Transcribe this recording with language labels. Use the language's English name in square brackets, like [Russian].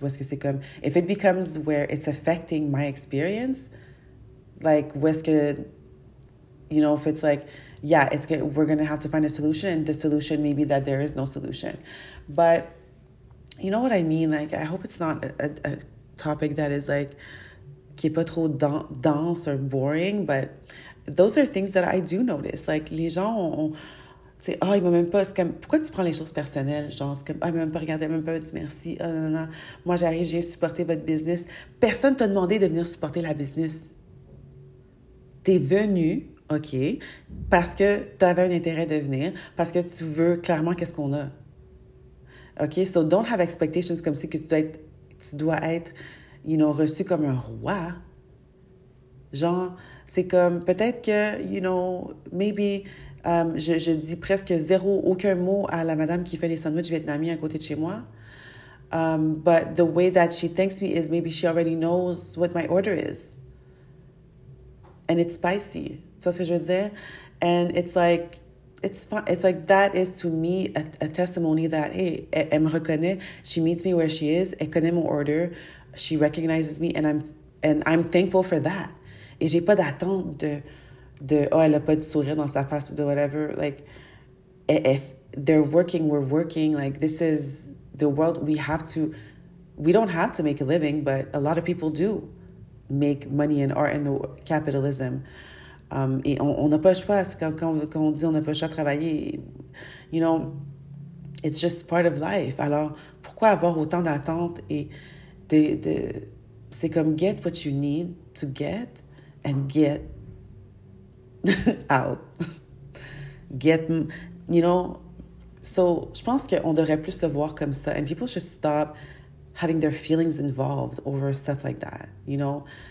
[French] Où est-ce que c'est comme, [English] if it becomes where it's affecting my experience, like [French] où est-ce que, [English] you know, if it's like, yeah, it's good, we're gonna have to find a solution, and the solution maybe that there is no solution, but you know what I mean. Like, I hope it's not a topic that is like [French] qui est pas trop dense [English] or boring, but those are things that I do notice. [French] Like les gens ont, c'est, ah, oh, il m'a même pas, c'est comme, pourquoi tu prends les choses personnelles? Genre, c'est comme, ah, oh, il m'a même pas regardé, il m'a même pas dit merci. Ah, oh, non, non, non. Moi, j'arrive, j'ai supporté votre business. Personne t'a demandé de venir supporter la business. T'es venu, OK, parce que t'avais un intérêt de venir, parce que tu veux clairement qu'est-ce qu'on a. [English] OK, so don't have expectations [French] comme si que tu dois être, [English] you know, [French] reçu comme un roi. Genre, c'est comme, peut-être que, [English] you know, maybe... [French] Je dis presque zéro, aucun mot à la madame qui fait les sandwichs vietnamiens à côté de chez moi. [English] But the way that she thanks me is maybe she already knows what my order is. And it's spicy. [French] Tu vois ce que je veux dire? [English] And it's like that is to me a testimony that, hey, [French] elle me reconnaît. [English] She meets me where she is. [French] Elle connaît mon order. [English] She recognizes me. And I'm thankful for that. [French] Et j'ai pas d'attente de « oh, elle n'a pas de sourire dans sa face » ou de « whatever ». [English] Like, if they're working, we're working. Like, this is the world. We don't have to make a living, but a lot of people do make money in art and the capitalism. [French] Et on n'a pas le choix. Quand on dit « on n'a pas le choix de travailler », [English] you know, it's just part of life. [French] Alors, pourquoi avoir autant d'attentes et de c'est comme « [English] get what you need to get and get [French] » out. [English] Get, you know. [French] So, je pense qu'on devrait plus se voir comme ça. [English] And people should stop having their feelings involved over stuff like that, you know.